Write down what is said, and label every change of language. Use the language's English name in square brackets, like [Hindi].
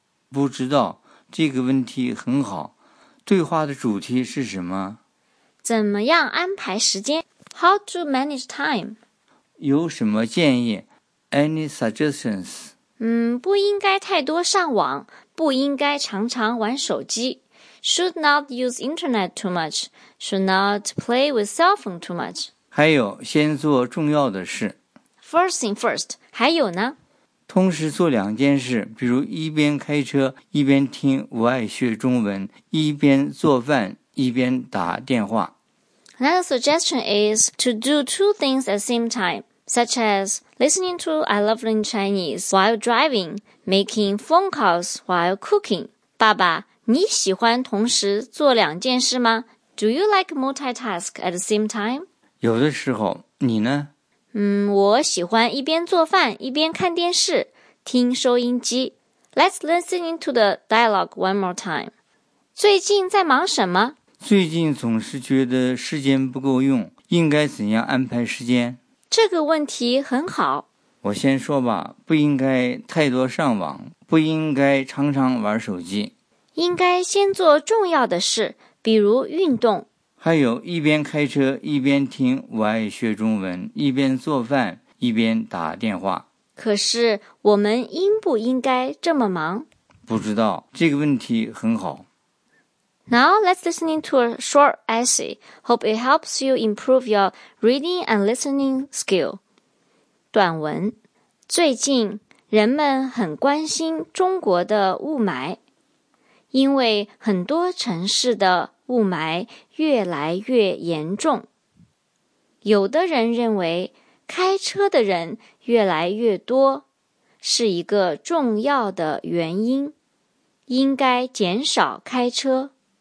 [Chinese] 不知道，这个问题很好。对话的主题是什么？怎么样安排时间？ [English] How to manage time? [Chinese] 有什么建议？ [English] Any suggestions? [Chinese] 不应该太多上网，不应该常常玩手机。 [English] Should not use internet too much. Should not play with cell phone too much. [Chinese] 还有，先做重要的事。 [English] First thing first. [Chinese] 还有呢？同时做两件事，比如一边开车一边听我爱学中文，一边做饭一边打电话。 [English] Another suggestion is to do two things at the same time, such as listening to I Love Learning Chinese while driving, making phone calls while cooking. [Chinese] 爸爸，你喜欢同时做两件事吗？ [English] Do you like multitask at the same time? [Chinese] 有的时候，你呢？我喜欢一边做饭一边看电视，听收音机。 [English] Let's listen into the dialogue one more time. [Chinese] 最近在忙什么？最近总是觉得时间不够用，应该怎样安排时间？这个问题很好。我先说吧，不应该太多上网，不应该常常玩手机。应该先做重要的事，比如运动。还有一边开车一边听我爱学中文，一边做饭一边打电话。可是我们应不应该这么忙？不知道，这个问题很好。 [English] Now let's listen to a short essay. Hope it helps you improve your reading and listening skill. [Chinese] 短文：最近人们很关心中国的雾霾，因为很多城市的雾霾越来越严重。有的人认为开车的人越来越多是一个重要的原因，应该减少开车。